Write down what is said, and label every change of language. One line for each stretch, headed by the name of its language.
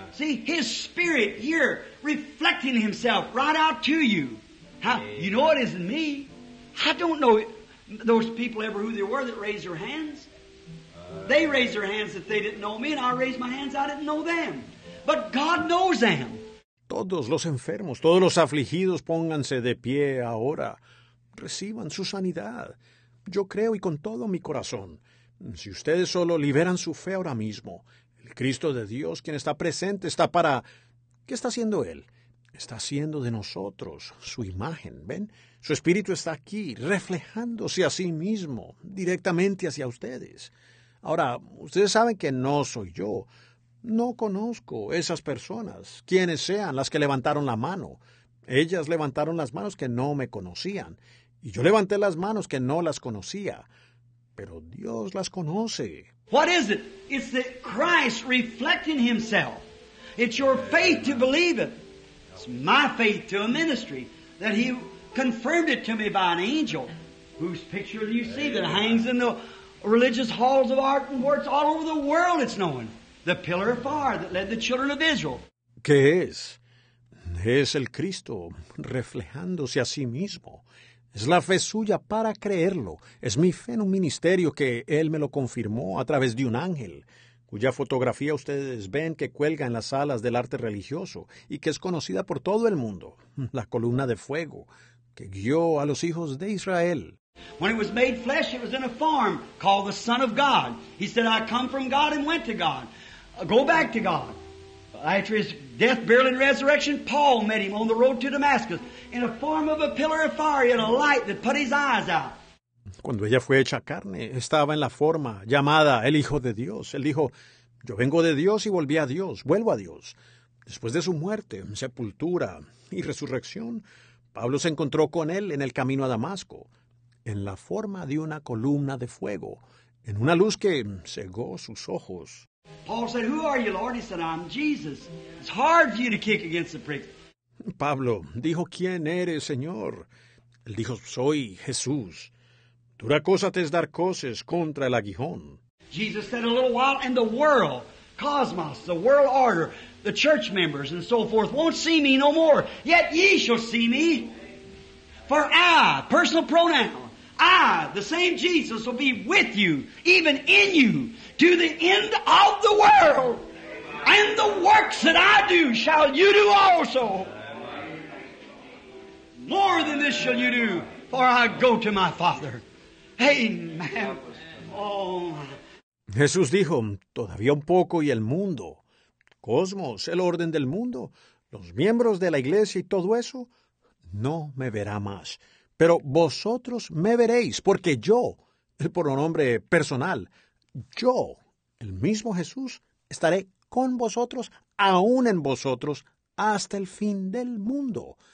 English: See, his spirit here, reflecting himself right out to you. How, you know it isn't me. I don't know it. Those people ever who they were that raised their hands. They raised their hands if they didn't know me, and I raised my hands, I didn't know them. But God knows them.
Spanish: Todos los enfermos, todos los afligidos, pónganse de pie ahora. Reciban su sanidad. Yo creo y con todo mi corazón. Si ustedes solo liberan su fe ahora mismo, el Cristo de Dios, quien está presente, está para... ¿Qué está haciendo Él? Está haciendo de nosotros su imagen, ¿ven? Su espíritu está aquí, reflejándose a sí mismo, directamente hacia ustedes. Ahora, ustedes saben que no soy yo. No conozco esas personas, quienes sean las que levantaron la mano. Ellas levantaron las manos que no me conocían. Y yo levanté las manos que no las conocía. Pero Dios las conoce.
English: What is it? It's the Christ reflecting himself. It's your faith to believe it. It's my faith to a ministry that he confirmed it to me by an angel whose picture do you see that hangs in the religious halls of art and works all over the world it's known. The pillar of fire that led the children of Israel.
Spanish: ¿Qué es? Es el Cristo reflejándose a sí mismo. Es la fe suya para creerlo. Es mi fe en un ministerio que él me lo confirmó a través de un ángel, cuya fotografía ustedes ven que cuelga en las salas del arte religioso y que es conocida por todo el mundo, la columna de fuego que guió a los hijos de Israel.
English: When it was made flesh, it was in a form called the Son of God. He said, I come from God and went to God. Go back to God. After his death, burial, and resurrection, Paul met him on the road to Damascus in a form of a pillar of fire and a light that put his eyes out.
Spanish: Cuando ella fue hecha carne, estaba en la forma llamada el Hijo de Dios. Él dijo, yo vengo de Dios y volví a Dios, vuelvo a Dios. Después de su muerte, sepultura y resurrección, Pablo se encontró con él en el camino a Damasco, en la forma de una columna de fuego, en una luz que cegó sus ojos.
English: Paul said, who are you, Lord? He said, I'm Jesus. It's hard for you to kick against the prick.
Spanish: Pablo dijo, ¿quién eres, Señor? Él dijo, soy Jesús. Dura cosa te es dar cosas contra el aguijón.
English: Jesus said a little while and the world, cosmos, the world order, the church members and so forth won't see me no more. Yet ye shall see me. For I, personal pronoun, I, the same Jesus, will be with you, even in you, to the end of the world. And the works that I do shall you do also. More than this shall you do, for I go to my Father. Amen. Oh.
Spanish: Jesús dijo, todavía un poco y el mundo, cosmos, el orden del mundo, los miembros de la iglesia y todo eso, no me verá más. Pero vosotros me veréis, porque yo, el pronombre personal, yo, el mismo Jesús, estaré con vosotros, aún en vosotros, hasta el fin del mundo.